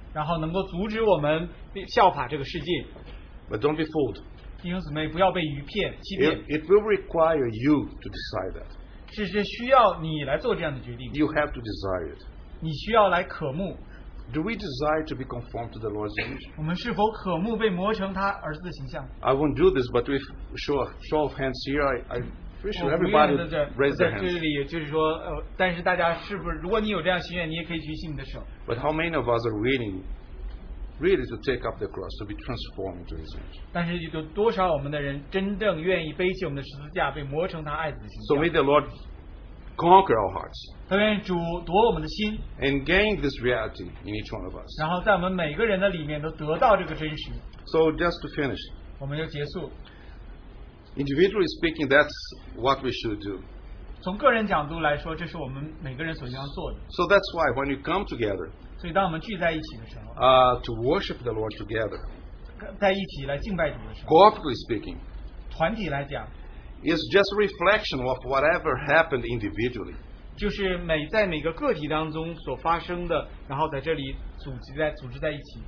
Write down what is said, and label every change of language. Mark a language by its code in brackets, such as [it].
[zh] 然后能够阻止我们效法这个世界。 [en] But don't be fooled. [zh] 弟兄姊妹，不要被愚骗欺骗。 [en] It will require you to decide that. [zh] 是需要你来做这样的决定。 [en] You have to desire it. [zh] 你需要来渴慕。 [en] Do we desire to be conformed to the Lord's image? [zh] 我们是否渴慕被磨成他儿子的形象？ [en] I won't do this, but if show of hands here, I'm pretty sure everybody raise their hands. [zh] 在这里就是说，但是大家是不是，如果你有这样心愿，你也可以举起你的手。 [en] But how many of us are really to take up the cross to be transformed into His image? [zh] 但是有多少我们的人真正愿意背起我们的十字架，被磨成他爱子的形象？ [en] So may the Lord conquer our hearts. [zh] 但愿主夺我们的心。 [en] And gain this reality in each one of us. [zh] 然后在我们每个人的里面都得到这个真实。 [en] So just to finish. [zh] 我们要结束。 [en] Individually speaking, that's what we should do. [zh] 从个人角度来说，这是我们每个人所要做的。 [en] So that's why when you come together. [zh] 所以当我们聚在一起的时候。 [en] To worship the Lord together. [zh] 在一起来敬拜主的时候。 [en] Corporately speaking. [zh] 团体来讲。 [en] It's just a reflection of whatever happened individually. [zh] 就是每在每个个体当中所发生的，然后在这里组织在一起。